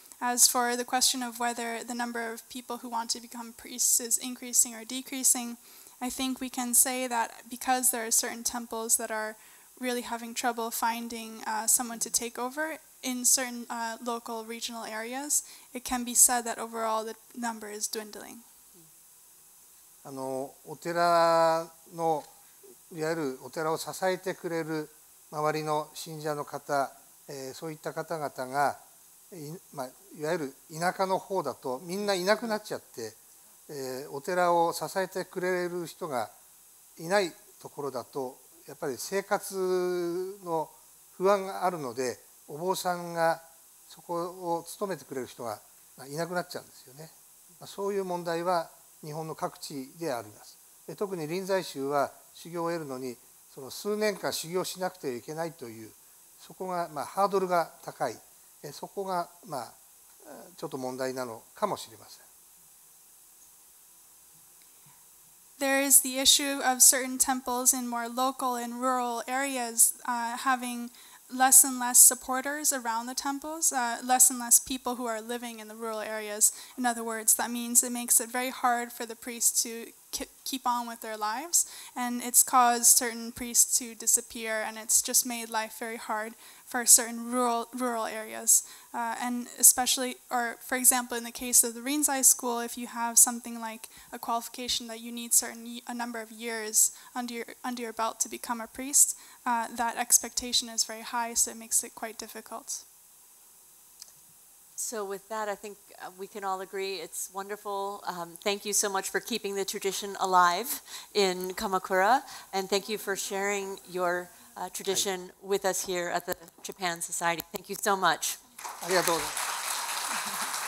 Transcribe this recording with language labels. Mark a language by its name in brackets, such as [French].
[English] As for the question of whether the number of people who want to become priests is increasing or decreasing, I think we can say that because there are certain temples that are really having trouble finding someone to take over in certain local regional areas, it can be said that overall the number is dwindling. [Japanese] あのお寺のいわゆるお寺を支えてくれる周りの信者の方、そういった方々が、まあ、いわゆる田舎の方だとみんないなくなっちゃって、お寺を支えてくれる人がいないところだとやっぱり生活の不安があるので、お坊さんがそこを務めてくれる人がいなくなっちゃうんですよね。そういう問題は日本の各地であります。特に臨済宗は修行を得るのにその数年間修行しなくてはいけないという、そこがまあハードルが高い、そこがまあちょっと問題なのかもしれません。 [English] There is the issue of certain temples in more local and rural areas having less and less supporters around the temples, less and less people who are living in the rural areas. In other words, that means it makes it very hard for the priests to keep on with their lives, and it's caused certain priests to disappear, and it's just made life very hard for certain rural areas. And especially, or for example, in the case of the Rinzai school, if you have something like a qualification that you need a number of years under your belt to become a priest, that expectation is very high, so it makes it quite difficult. So with that, I think we can all agree it's wonderful. Thank you so much for keeping the tradition alive in Kamakura, and thank you for sharing your tradition with us here at the Japan Society. Thank you so much. [Japanese] ありがとうございます。